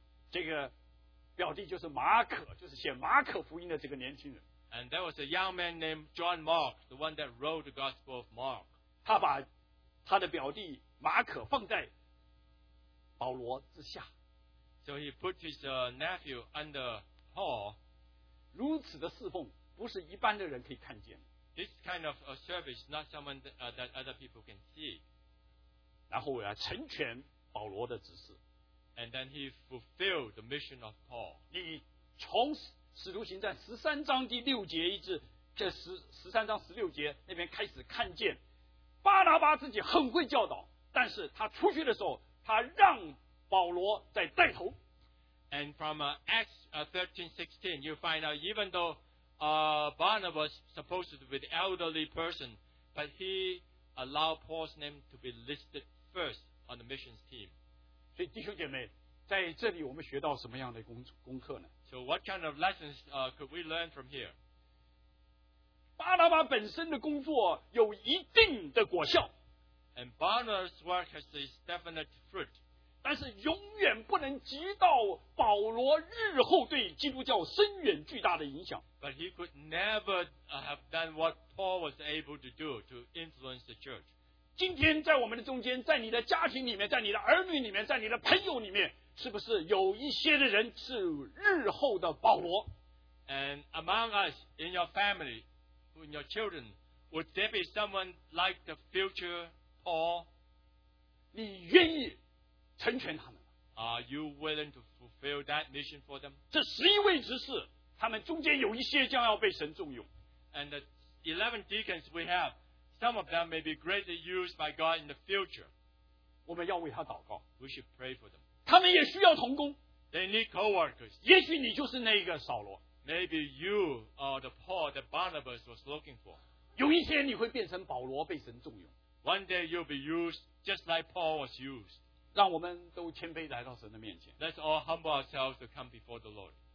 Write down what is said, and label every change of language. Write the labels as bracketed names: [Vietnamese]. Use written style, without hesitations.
[Chinese] 这个表弟就是马可，就是写马可福音的这个年轻人。 [English] And there was a young man named John Mark, the one that wrote the Gospel of Mark. [Chinese] 他把他的表弟马可放在保罗之下。 [English] So he put his nephew under Paul. [Chinese] 如此的侍奉不是一般的人可以看见。 [English] This kind of a service is not someone that other people can see. [Chinese] 然后我要成全保罗的指示。 [English] And then he fulfilled the mission of Paul. [Chinese] 你从使徒行传十三章第六节一直这十三章十六节那边开始看见巴拿巴自己很会教导，但是他出去的时候他让保罗在带头。 [English] And from Acts 13:16 you find out even though Barnabas supposed to be the elderly person, but he allowed Paul's name to be listed first on the missions team. [Chinese] 所以弟兄姐妹，在这里我们学到什么样的功课呢？ [English] So what kind of lessons could we learn from here? [Chinese] 巴拿巴本身的工作有一定的果效。 [English] And Barnabas' work has a definite fruit. [Chinese] 但是永远不能及到保罗日后对基督教深远巨大的影响。 [English] But he could never have done what Paul was able to do to influence the church. [Chinese] 今天在我们的中间，在你的家庭里面，在你的儿女里面，在你的朋友里面，是不是有一些的人是日后的保罗？ [English] And among us, in your family, in your children, would there be someone like the future Paul? [Chinese] 你愿意成全他们？ [English] Are you willing to fulfill that mission for them? [Chinese] 这十一位执事，他们中间有一些将要被神重用。 [English] And the 11 deacons we have, some of them may be greatly used by God in the future. [Chinese] 我们要为他祷告。 [English] We should pray for them. [Chinese] 他们也需要同工。 [English] They need co-workers. [Chinese] 也许你就是那个扫罗。 [English] Maybe you are the Paul that Barnabas was looking for. [Chinese] 有一天你会变成保罗，被神重用。 [English] One day you'll be used just like Paul was used. [Chinese] 让我们都谦卑来到神的面前。 [English] Let's all humble ourselves to come before the Lord.